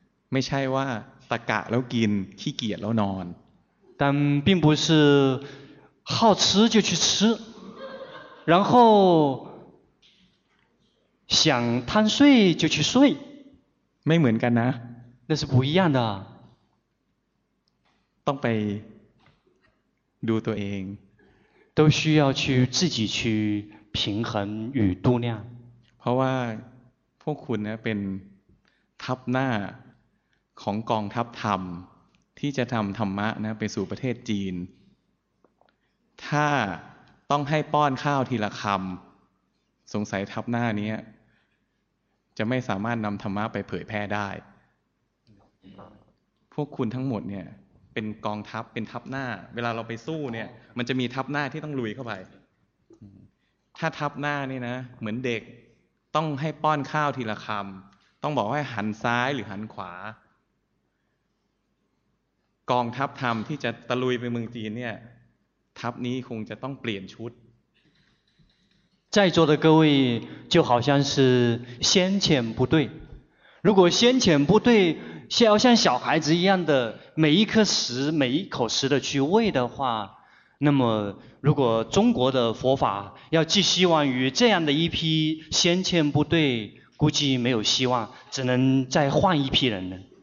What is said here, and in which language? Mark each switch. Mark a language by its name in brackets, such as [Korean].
[Thai] ไม่ใช่ว่าตะกะแล้วกินขี้เกียจแล้วนอน [Chinese] 但并不是好吃就去吃然后想贪睡就去睡 [Thai] ไม่เหมือนกันนะ [Chinese] 那是不一样的 [Thai] ต้องไปดูตัวเอง [Chinese] 都需要去自己去平衡与度量 [Thai] เพราะว่าพวกคุณนะเป็น ทัพหน้าของกองทัพธรรมที่จะทำธรรมะนะไปสู่ประเทศจีนถ้าต้องให้ป้อนข้าวทีละคำสงสัยทัพหน้านี้จะไม่สามารถนำธรรมะไปเผยแพร่ได้ พวกคุณทั้งหมดเนี่ยเป็นกองทัพเป็นทัพหน้าเวลาเราไปสู้เนี่ยมันจะมีทัพหน้าที่ต้องลุยเข้าไปถ้าทัพหน้านี่นะเหมือนเด็กต้องให้ป้อนข้าวทีละคำต้องบอกว่าหันซ้ายหรือหันขวากองทัพธรรมที่จะตะลุยไปเมืองจีนเนี่ยทัพนี้คงจะต้องเปลี่ยนชุด [Chinese] 在座的各位就好像是先遣部队如果先遣部队要像小孩子一样的每一颗石每一口石的去喂的话那么如果中国的佛法要寄希望于这样的一批先遣部队估计没有希望只能再换一批人了